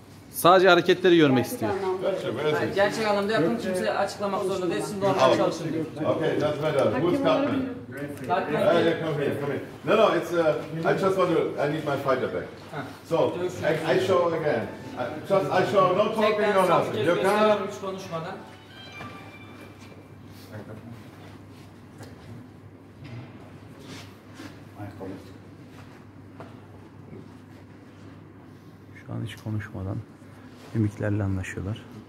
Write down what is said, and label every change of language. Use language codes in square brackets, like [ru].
[tr] Sadece hareketleri görmek istiyor. Gerçek anlamda yapın. Kimse açıklamak zorunda değilsin. Doğru çalışın. [en] Okay, that's better. Who's Cartman? Cartman. Come here. No, it's I just want to I need my fighter back. So, I show again. I show no talking no nothing. You can't [tr] hiç konuşmadan. Şu an hiç konuşmadan. Mimiklerle anlaşıyorlar.